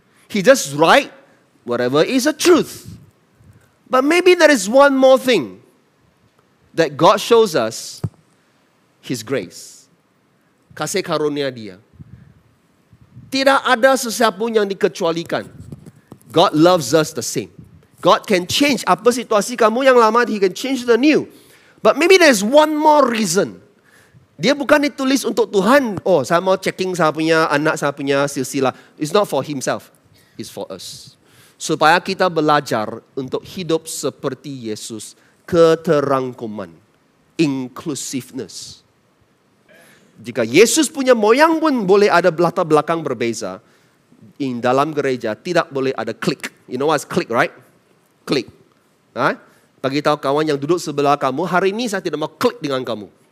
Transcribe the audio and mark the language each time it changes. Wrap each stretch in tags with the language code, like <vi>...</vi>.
<en>He just write whatever is a truth. But maybe there is one more thing that God shows us, His grace.</en> <ms>Kasih karunia dia. Tidak ada sesiapa yang dikecualikan.</ms> <en>God loves us the same. God can change</en> <ms>apa situasi kamu yang lama,</ms> <en>He can change the new. But maybe there's one more reason.</en> <ms>Dia bukan ditulis untuk Tuhan. Oh, saya mau checking saya punya anak, saya punya silsilah.</ms> <en>It's not for himself. It's for us.</en> <ms>Supaya kita belajar untuk hidup seperti Yesus. Keterangkuman, inclusiveness. Jika Yesus punya moyang pun boleh ada latar belakang berbeza, in dalam gereja tidak boleh ada klik.</ms> <en>You know what's klik, right?</en> <ms>Klik. Huh? Bagi tahu kawan yang duduk sebelah kamu, hari ini saya tidak mau klik dengan kamu.</ms>